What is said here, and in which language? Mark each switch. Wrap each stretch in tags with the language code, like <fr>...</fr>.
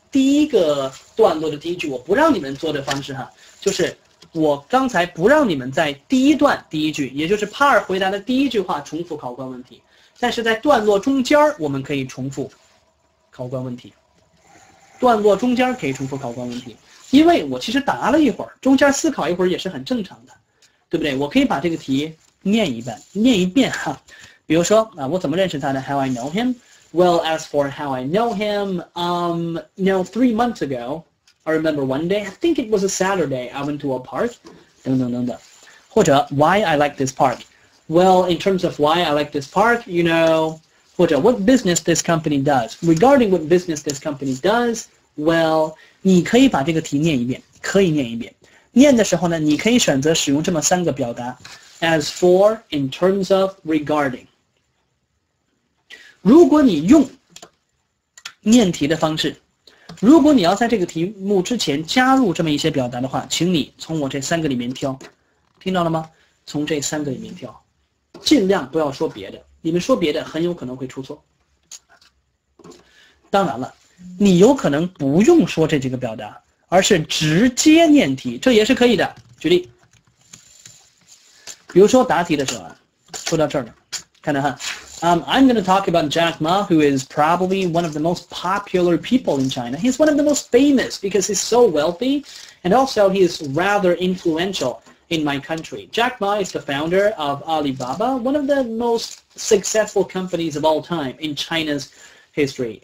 <zh>第一个段落的第一句我不让你们做的方式哈，就是我刚才不让你们在第一段第一句，也就是帕尔回答的第一句话重复考官问题，但是在段落中间我们可以重复考官问题，段落中间可以重复考官问题，因为我其实答了一会儿，中间思考一会儿也是很正常的，对不对？我可以把这个题念一遍哈，比如说啊，我怎么认识他的 ？</zh> <en>How I know him。 Well, as for how I know him, you know, 3 months ago, I remember one day, I think it was a Saturday, I went to a park,</en> <zh>等等等等。</zh> <en>或者 why I like this park? Well, in terms of why I like this park, you know,</en> <zh>或者</zh> <en>what business this company does? Regarding what business this company does, well,</en> <zh>你可以把这个题念一遍，可以念一遍。念的时候呢，你可以选择使用这么三个表达。</zh> <en>As for, in terms of, regarding.</en> <zh>如果你用念题的方式，如果你要在这个题目之前加入这么一些表达的话，请你从我这三个里面挑，听到了吗？从这三个里面挑，尽量不要说别的，你们说别的很有可能会出错。当然了，你有可能不用说这几个表达，而是直接念题，这也是可以的。举例，比如说答题的时候啊，说到这儿了，看到哈。</zh> <en>I'm going to talk about Jack Ma, who is probably one of the most popular people in China. He's one of the most famous because he's so wealthy, and also he is rather influential in my country. Jack Ma is the founder of Alibaba, one of the most successful companies of all time in China's history.</en>